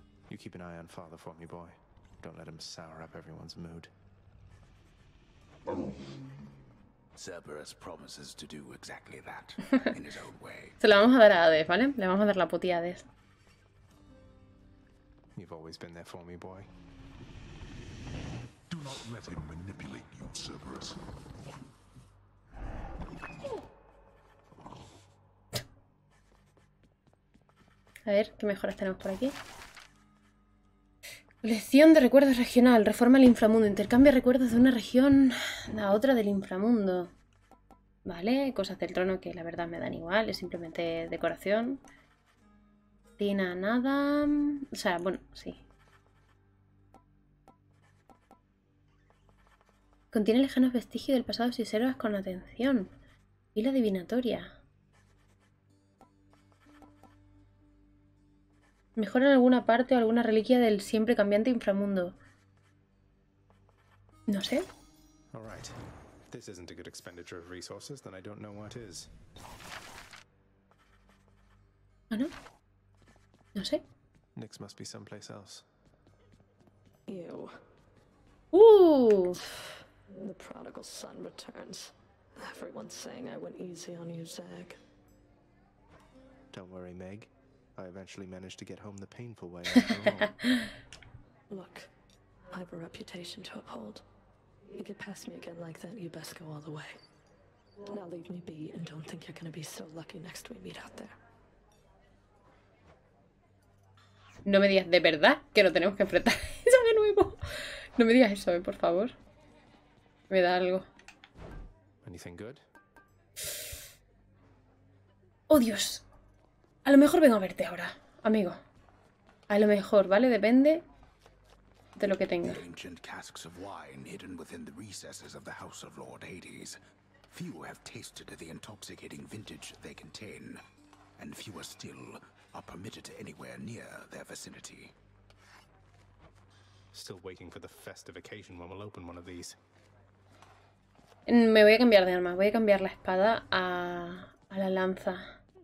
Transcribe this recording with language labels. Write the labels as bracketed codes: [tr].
[en] You keep an eye on father for me, boy. Don't let him sour up everyone's mood. Cerberus promises to do exactly that in his own way. [es] Se lo vamos a dar a Hades, ¿vale? Le vamos a dar la putilla a Hades. You've always been there for me, boy. Do not let him manipulate you, Cerberus. A ver, ¿qué mejoras tenemos por aquí? Lección de recuerdos regional. Reforma el inframundo. Intercambia recuerdos de una región a otra del inframundo. Vale, cosas del trono que la verdad me dan igual. Es simplemente decoración. Tina, nada. O sea, bueno, sí. Contiene lejanos vestigios del pasado si observas con atención. Y la adivinatoria. Mejora en alguna parte o alguna reliquia del siempre cambiante inframundo. No sé. [en] All right. This isn't a good expenditure of resources, then I don't know what is. [es] ¿Ah, no? No sé. [en] Nyx must be someplace else. Ew. The prodigal son returns. Everyone's saying I went easy on you, Zag. Don't worry, Meg. I eventually managed to get home the painful way. Look, I have a reputation to uphold. You could pass me again like that, you best go all the way. Now leave me be and don't think you're gonna be so lucky next we meet out there. [es] No me digas de verdad que no tenemos que enfrentar eso de nuevo. No me digas eso, por favor. Me da algo. [en] Anything good? [es] Oh, Dios. A lo mejor vengo a verte ahora, amigo. A lo mejor, ¿vale? Depende de lo que tenga. [en] Ancient casks of wine hidden within the recesses of the house of Lord Hades. Few have tasted the intoxicating vintage they contain, and fewer still are permitted anywhere near their vicinity. Still waiting for the festive occasion when we'll open one of these. [es] Me voy a cambiar de arma. Voy a cambiar la espada a la lanza.